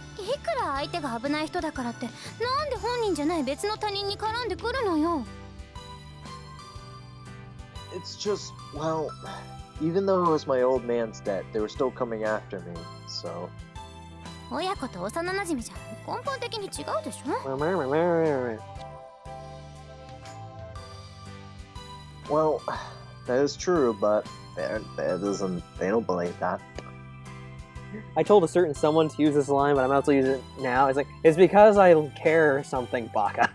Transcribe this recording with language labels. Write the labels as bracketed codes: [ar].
[ja] いくら相手が危ない人だからって、なんで本人じゃない別の他人に絡んでくるのよ。 [en] It's just, well, even though it was my old man's debt, they were still coming after me, so. [ja] 親子と幼馴染じゃ根本的に違うでしょ。 [en] Well, that is true, but they don't believe that. I told a certain someone to use this line, but I'm about to use it now. It's like, it's because I care or something, Baka.